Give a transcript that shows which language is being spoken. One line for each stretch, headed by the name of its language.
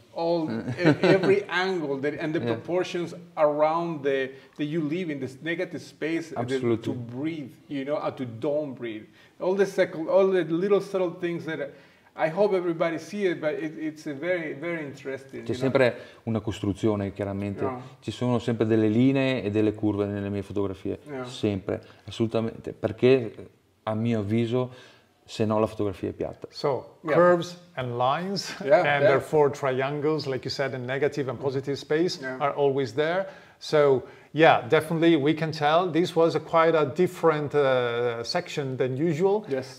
English: All every angle that and the proportions around the that you live in this negative space to breathe, you know, or to don't breathe. All the little subtle things that I hope everybody see it, but it's a very very interesting.
Italian: C'è sempre una costruzione, chiaramente. Ci sono sempre delle linee e delle curve nelle mie fotografie, sempre, assolutamente. Perché a mio avviso. Se no, la fotografia è piatta.
English: So, curves and lines, and therefore triangles, like you said, in negative and positive space, are always there. So, yeah, definitely we can tell. This was quite a different section than usual. Yes.